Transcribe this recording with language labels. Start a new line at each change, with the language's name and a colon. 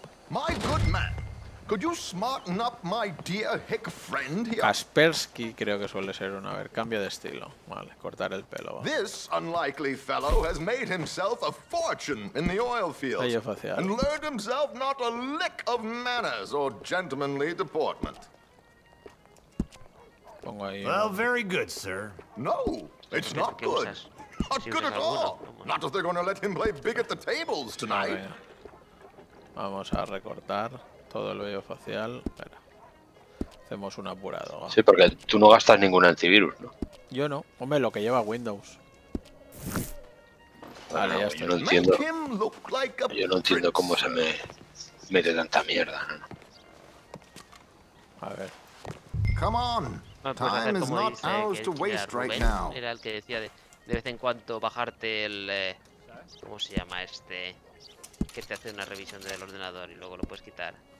English: My good man, could you smarten up my dear hick friend here?
Spanish: Kaspersky creo que suele ser una. A ver, cambio de estilo. Vale, cortar el pelo. Va.
English: This unlikely fellow has made himself a fortune in the oil fields.
Spanish: Ello facial.
English: And learned himself not a lick of manners or gentlemanly deportment.
Spanish: Pongo ahí.
English: Well, very good, sir. No, it's not good. Not good at all. Not if they're going to let him play big at the tables tonight.
Spanish: Vamos a recortar todo el vello facial. Espera. Hacemos un apurado. ¿No? Sí, porque tú no gastas ningún antivirus, ¿no? Yo no. Hombre, lo que lleva Windows. Vale, no, ya está. Yo no entiendo cómo se me mete tanta mierda, ¿no? A ver.
English: Come on. Time is not ours to waste right now.
Spanish: Era el que decía de vez en cuando bajarte el ¿cómo se llama este? Que te hace una revisión del ordenador y luego lo puedes quitar.